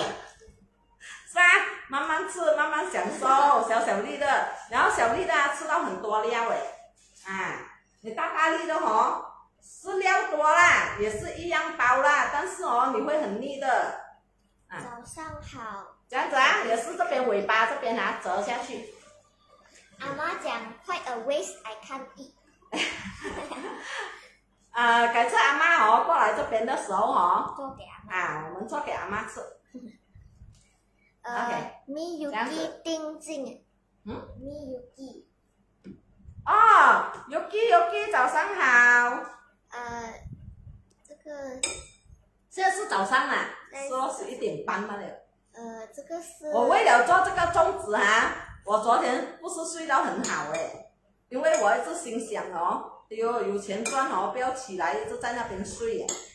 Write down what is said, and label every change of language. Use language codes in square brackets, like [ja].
[zh] 是啊，慢慢吃，慢慢享受，小小力的，然后小力的、啊、吃到很多料哎，啊，你大大力的哦，是料多啦，也是一样包啦，但是哦，你会很腻的。早上好，这样子啊，也是这边尾巴这边啊，折下去。阿妈讲 ， [en] quite a waste, I can't eat。 [zh] 改次阿妈哦过来这边的时候哦，做给阿妈啊，我们做给阿妈吃。 Miyuki Ting Jing. Miyuki. Oh, Yuki, Yuki, 早上好。这个现在是早上啦，说是一点半吧了。这个是我为了做这个粽子啊，我昨天不是睡到很好哎，因为我一直心想哦，哎呦，有钱赚哦，不要起来一直在那边睡耶。